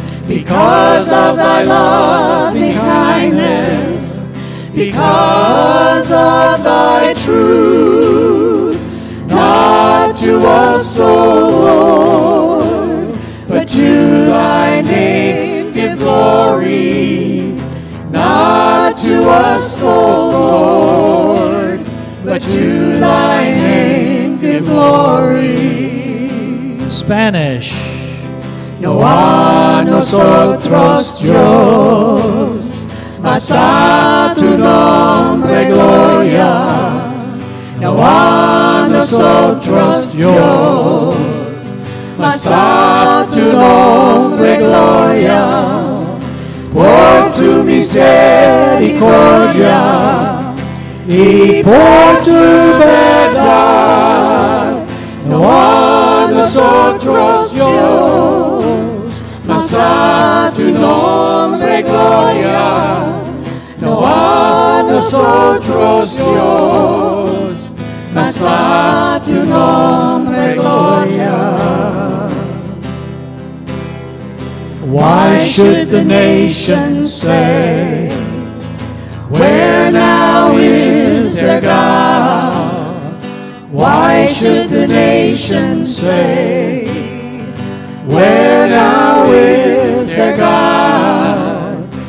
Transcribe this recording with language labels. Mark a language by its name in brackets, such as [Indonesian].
[English] Because of thy loving kindness, because of thy truth, not to us, O Lord, to thy name give glory. Not to us, O Lord, but to thy name give glory. Spanish. [Spanish] No a nosotros Dios, mas a tu nombre gloria. No a nosotros Dios, mas a tu nombre gloria, por tu misericordia y por tu verdad. No a nosotros Dios, mas a tu nombre gloria. No a nosotros Dios, mas a tu nombre gloria. [English] Why should the nation say, where now is their God? Why should the nation say, where now is their God?